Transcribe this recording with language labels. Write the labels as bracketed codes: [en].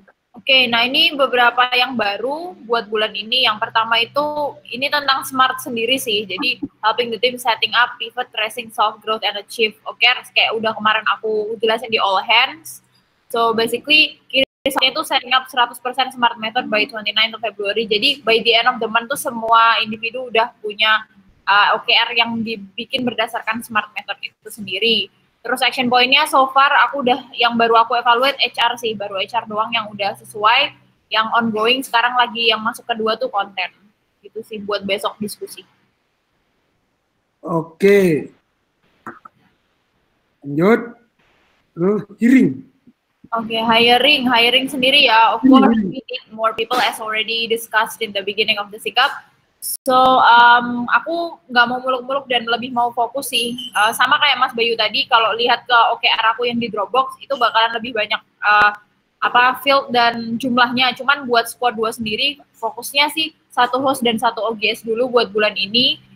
[id] Oke, nah ini beberapa yang baru buat bulan ini. Yang pertama itu, ini tentang smart sendiri sih. [en] Jadi, helping the team setting up, pivot, tracing, solve, growth, and achieve. [id] Oke, kayak udah kemarin aku jelasin di all hands. So, basically, kirisannya itu [en] setting up 100% smart method by 29 February. [id] Jadi, [en] by the end of the month [id] tuh semua individu udah punya OKR yang dibikin berdasarkan smart method itu sendiri. Terus action point-nya so far aku udah yang baru aku evaluate HR sih, baru HR doang yang udah sesuai, yang ongoing sekarang lagi yang masuk kedua tuh konten. Gitu sih buat besok diskusi. Oke. Lanjut. Hiring. Oke, hiring sendiri ya. [en] Of course we need more people as already discussed in the beginning of the sikap. [id] So, aku nggak mau muluk-muluk dan lebih mau fokus sih. Sama kayak Mas Bayu tadi, kalau lihat ke OKR aku yang di Dropbox, itu bakalan lebih banyak field dan jumlahnya. Cuman buat squad 2 sendiri, fokusnya sih satu host dan satu OGS dulu buat bulan ini.